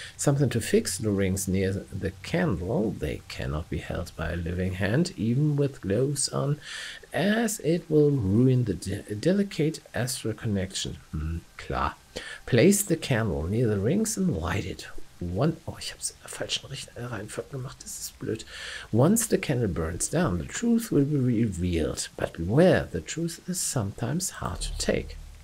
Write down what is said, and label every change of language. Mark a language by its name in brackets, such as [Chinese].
[English] Something to fix the rings near the candle. They cannot be held by a living hand, even with gloves on, as it will ruin the delicate astral connection. Klar. Place the candle near the rings and light it. [German] One, oh, ich habe es in der falschen Reihenfolge gemacht. Das ist blöd. [English] Once the candle burns down, the truth will be revealed. But beware, the truth is sometimes hard to take.